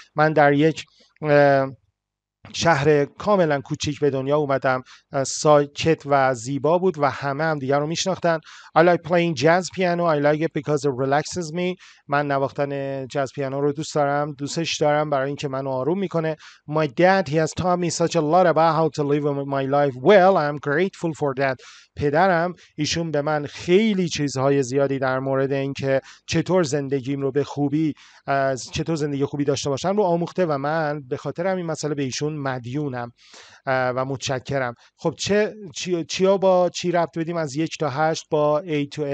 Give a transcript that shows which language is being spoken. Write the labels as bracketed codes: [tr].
[fa] من در یک شهر کاملا کوچیک به دنیا اومدم، ساکت و زیبا بود و همه هم دیگر رو میشناختن. [en] I like playing jazz piano. I like it because it relaxes me. [fa] من نواختن جاز پیانو رو دوست دارم، دوستش دارم برای اینکه منو آروم میکنه. [en] My dad, he has taught me such a lot about how to live my life well. I'm grateful for that. [fa] پدرم، ایشون به من خیلی چیزهای زیادی در مورد اینکه چطور زندگیم رو به خوبی، چطور زندگی خوبی داشته باشم رو آموخته و من به خاطر همین مسئله به ایشون مدیونم و متشکرم. خب چیا با چی ربط بدیم از 1 تا 8 با H.